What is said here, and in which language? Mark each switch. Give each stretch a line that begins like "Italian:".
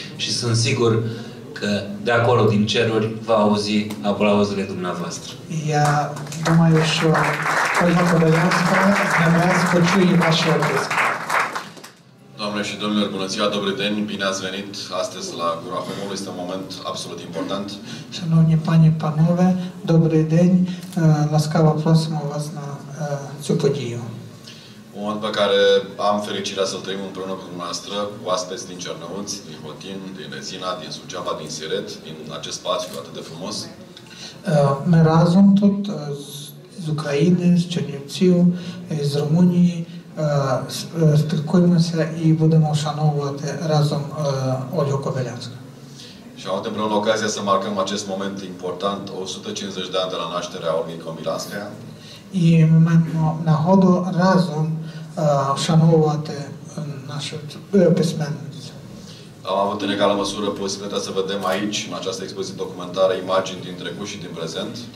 Romanian: Și sunt sigur că de acolo, din ceruri, va auzi aplauzele dumneavoastră.
Ukrainian: Я думаю, що Ольга Кобилянська на нас почує ваші оплески.
Romanian: Doamne și domnilor, bună ziua,
Ukrainian: dobrý den,
Romanian: bine ați venit astăzi la Gura Homului, este un moment absolut important.
Ukrainian: Шановні пані, панове, добрий день, ласкаво просимо вас на цю подію.
Romanian: Moment pe care am fericirea să-l trăim împreună cu dumneavoastră, oaspeți din Cernăuți, din Hotin, din Rezina, din Suceava, din Siret, din acest spațiu atât de frumos.
Ukrainian: Ми разом тут з України, з Чернівців, з Румунії, спілкуємося і будемо вшановувати разом Ольгу Кобилянську.
Romanian: Și am avut împreună ocazia să marcăm acest moment important, 150 de ani de la nașterea Olgii Kobilanskaya.
Ukrainian: І ми маємо нагоду разом вшановувати нашу письменницю.
Romanian: Am avut în egală măsură posibilitatea să vedem aici, în această expoziție documentară, imagini din trecut și din prezent.